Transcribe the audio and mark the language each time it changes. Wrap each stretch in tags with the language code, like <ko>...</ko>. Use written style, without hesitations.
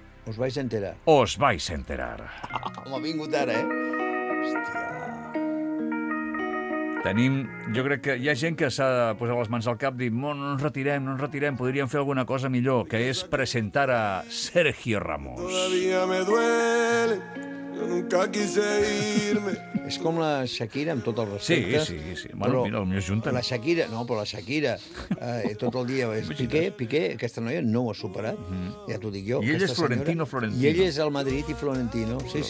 <es>Os vais a enterar. Os vais a enterar.</es> <ca>M'ha vingut ara, eh? Hòstia. Tenim... Jo crec que hi ha gent que s'ha de posar les mans al cap i dir, no ens retirem, podríem fer alguna cosa millor, que és presentar a Sergio Ramos.</ca> <es>Todavía me duele, yo nunca quise irme.</es> <ca>És com la Shakira, amb tot el respecte. Sí. Bueno, mira, potser es junten. La Shakira, no, però la Shakira, tot el dia... És Piqué, aquesta noia no ho ha superat, ja t'ho dic jo. I ell és Florentino. I ell és el Madrid i Florentino, sí.</ca>